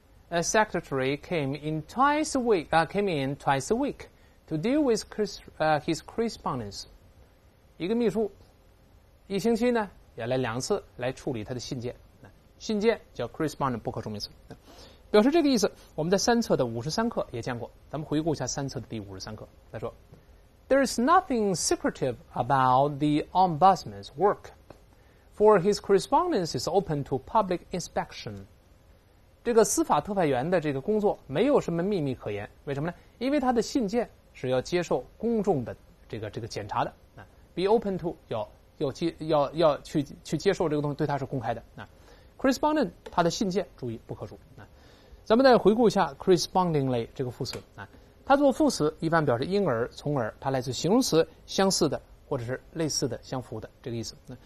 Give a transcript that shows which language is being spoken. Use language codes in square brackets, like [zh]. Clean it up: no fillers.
[en] A secretary came in twice a week to deal with his correspondence. [zh] 一个秘书一星期呢要来两次来处理他的信件。信件叫 correspondent， 不可数名词。表示这个意思我们在三册的53课也见过。咱们回顾一下三册的第53课。他说 [en] There is nothing secretive about the ombudsman's work, for his correspondence is open to public inspection. [zh] 这个司法特派员的这个工作没有什么秘密可言，为什么呢？因为他的信件是要接受公众的这个检查的啊。 [en] Be open to [zh] 要去接受这个东西，对他是公开的啊。 Correspondent 他的信件，注意不可数啊。咱们再回顾一下 correspondingly 这个副词啊，它做副词一般表示因而、从而，它来自形容词相似的或者是类似的、相符的这个意思。